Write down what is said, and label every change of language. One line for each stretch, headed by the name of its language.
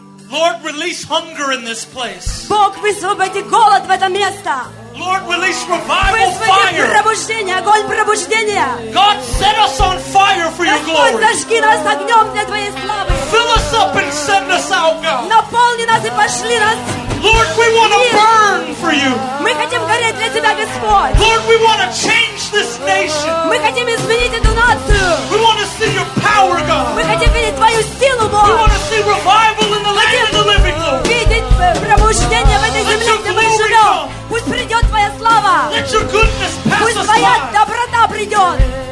English: Lord, release hunger in this place.
Russian: Бог, высвободи голод в это место.
English: Lord, release revival fire. God, set us on fire for your glory. Fill us up and send us out, God. Lord, we want to burn for you.
Russian: Мы хотим гореть для тебя, Господь.
English: Lord, we want to change this nation.
Russian: Мы хотим изменить эту нацию.
English: We want to see your power, God.
Russian: Мы хотим видеть твою силу, Бог.
English: We want to see revival in the land of the living, Lord.
Russian: Видеть пробуждение в этой земле, где мы живем. Пусть придет твоя слава.
English: Let your goodness pass us by.
Russian: Пусть твоя доброта придет.